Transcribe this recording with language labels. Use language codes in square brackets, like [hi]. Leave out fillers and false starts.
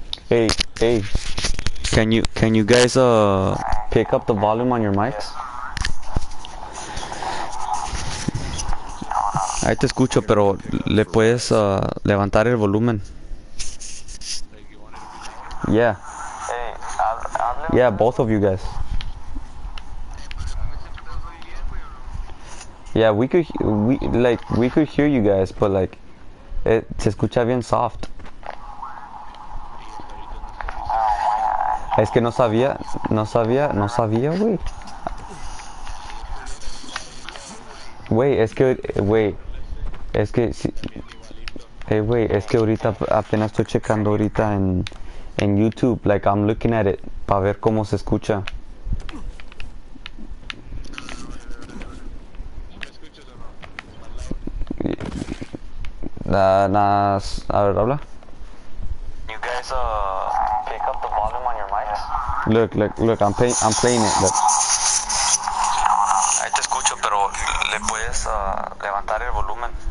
[en] Hey, hey, can you guys pick up the volume on your mics? [es] Ahí te escucho, pero le puedes levantar el volumen. [en] Yeah. Yeah, both of you guys. Yeah, we could hear you guys, but like, [es] se escucha bien [en] soft. [es] Es que no sabía, güey. Güey, es que, güey. Es que, si, [en] Hey, wait, [es] es que ahorita apenas estoy checando ahorita en YouTube, [en] like I'm looking at it [es] para ver cómo se escucha. Nada, a ver, habla. [en] You guys pick up the volume on your mics? Look, I'm playing it, look. [es] Ahí te escucho, pero le puedes levantar el volumen.